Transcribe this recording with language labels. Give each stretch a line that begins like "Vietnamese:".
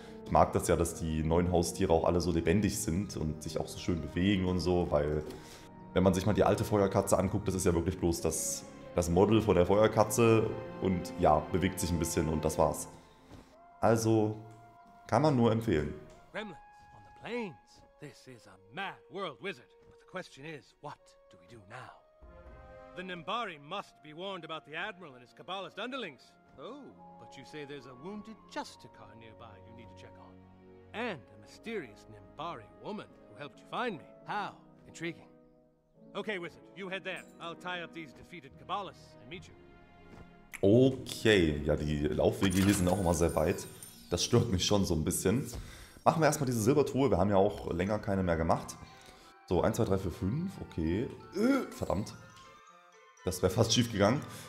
German: Ich mag das ja, dass die neuen Haustiere auch alle so lebendig sind und sich auch so schön bewegen und so, weil wenn man sich mal die alte Feuerkatze anguckt, das ist ja wirklich bloß das Model von der Feuerkatze und ja, bewegt sich ein bisschen und das war's. Also, kann man nur empfehlen.
English: Gremlins on the plains. This is a mad world wizard. But the question is, what do we do now? The Nimbari must be warned about the Admiral and his Kabbalist underlings. Oh, but you say there's a wounded Justicar nearby you need to check on. And a mysterious Nimbari woman who helped you find me. How intriguing. Okay, wizard, you head there. I'll tie up these defeated Kabbalists and meet you.
German: Okay, ja, die Laufwege hier sind auch immer sehr weit. Das stört mich schon so ein bisschen. Machen wir erstmal diese Silbertruhe. Wir haben ja auch länger keine mehr gemacht. So, 1, 2, 3, 4, 5. Okay. Verdammt. Das wäre fast schief gegangen.